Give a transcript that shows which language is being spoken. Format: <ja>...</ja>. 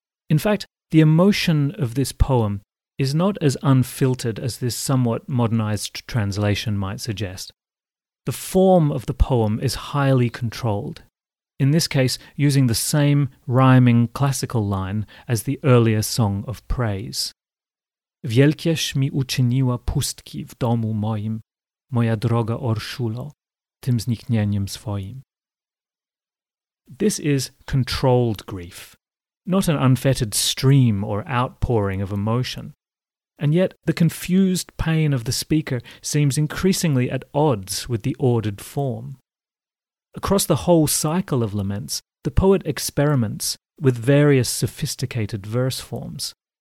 <en>In fact, the emotion of this poem is not as unfiltered as this somewhat modernized translation might suggest. The form of the poem is highly controlled, in this case using the same rhyming classical line as the earlier song of praise.</en> <pl>Wielkież mi uczyniła pustki w domu moim, moja droga Orszulo, tym zniknieniem swoim.</pl> <en>This is controlled grief, not an unfettered stream or outpouring of emotion. And yet the confused pain of the speaker seems increasingly at odds with the ordered form. Across the whole cycle of laments, the poet experiments with various sophisticated verse forms.</en>